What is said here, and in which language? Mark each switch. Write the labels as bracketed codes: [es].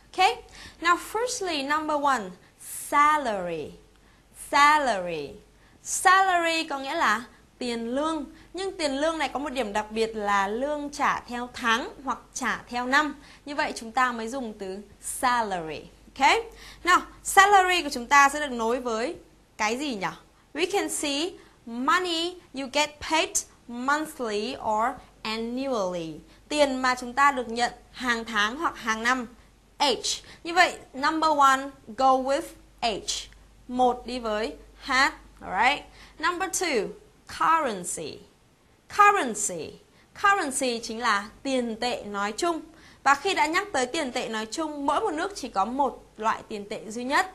[en] Okay, now firstly, number one, salary. Salary. [vi] Salary có nghĩa là tiền lương. Nhưng tiền lương này có một điểm đặc biệt là lương trả theo tháng hoặc trả theo năm. Như vậy chúng ta mới dùng từ salary. Okay, now salary của chúng ta sẽ được nối với cái gì nhỉ? [en] We can see money you get paid monthly or annually. [vi] Tiền mà chúng ta được nhận hàng tháng hoặc hàng năm. [en] H. [vi] Như vậy, [en] number one, go with H. [vi] Một đi với H. [en] Alright. Number two, currency. Currency. [vi] Currency chính là tiền tệ nói chung. Và khi đã nhắc tới tiền tệ nói chung, mỗi một nước chỉ có một loại tiền tệ duy nhất.